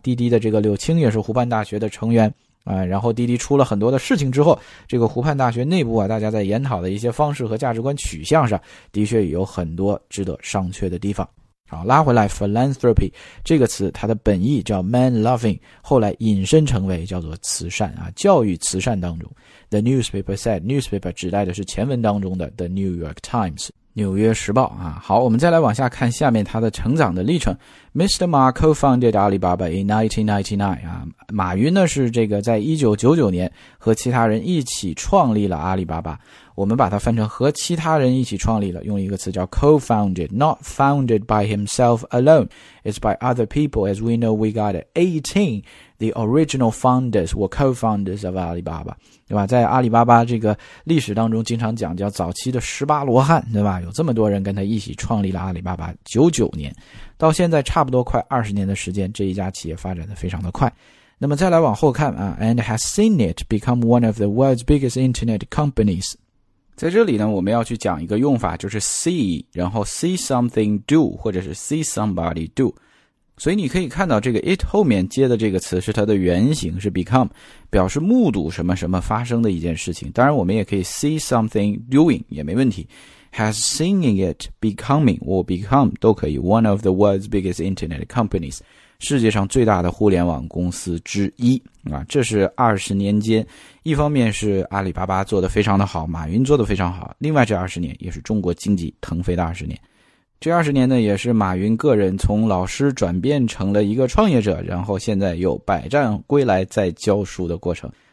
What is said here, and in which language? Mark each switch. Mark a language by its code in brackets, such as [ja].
[zh] 滴滴的这个柳青也是湖畔大学的成员啊，然后滴滴出了很多的事情之后，这个湖畔大学内部啊，大家在研讨的一些方式和价值观取向上，的确有很多值得商榷的地方。好，拉回来 philanthropy 这个词，它的本意叫 man loving， 后来引申成为叫做慈善啊，教育慈善当中。 [en] The newspaper said， [zh] newspaper 指代的是前文当中的 The New York Times， 纽约时报啊。好，我们再来往下看下面它的成长的历程。 [en] Mr. Ma co-founded Alibaba in 1999 [zh] 啊，马云呢是这个在1999年和其他人一起创立了阿里巴巴。我们把它翻成和其他人一起创立了，用一个词叫 co-founded， [en] not founded by himself alone， it's by other people as we know we got it. 18 the original founders were co-founders of Alibaba， [zh] 对吧？在阿里巴巴这个历史当中经常讲叫早期的十八罗汉，对吧？有这么多人跟他一起创立了阿里巴巴。99年到现在差不多快20年的时间，这一家企业发展的非常的快。那么再来往后看啊， [en] and has seen it become one of the world's biggest internet companies。 [zh] 在这里呢，我们要去讲一个用法，就是 see， 然后 see something do， 或者是 see somebody do。所以你可以看到这个 it 后面接的这个词是它的原型，是 become， 表示目睹什么什么发生的一件事情。当然我们也可以 see something doing， 也没问题。 [en] has seen it becoming or become [zh] 都可以， [en] one of the world's biggest internet companies， [zh] 世界上最大的互联网公司之一啊。这是20年间，一方面是阿里巴巴做得非常的好，马云做得非常好，另外这20年也是中国经济腾飞的20年。这20年呢，也是马云个人从老师转变成了一个创业者，然后现在又百战归来再教书的过程。